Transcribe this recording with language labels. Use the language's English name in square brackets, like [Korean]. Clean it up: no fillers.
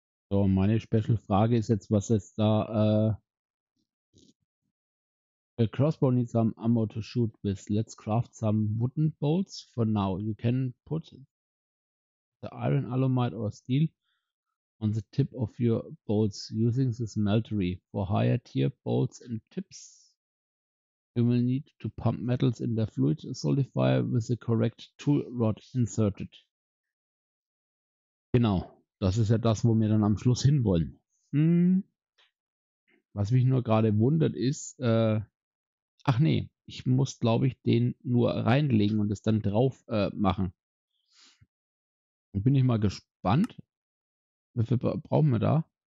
[German] So, meine Special Frage ist jetzt, was ist da, [English] a crossbow needs some ammo to shoot with. Let's craft some wooden bolts for now. You can put the iron alumite or steel on the tip of your bolts using the smeltery. For higher tier bolts and tips, you will need to pump metals in the fluid solidifier with the correct tool rod inserted. [German] Genau. Das ist ja das, wo wir dann am Schluss hinwollen. Was mich nur gerade wundert ist, ach nee, ich muss glaube ich den nur reinlegen und es dann drauf machen. Und bin ich mal gespannt, wie viel brauchen wir da?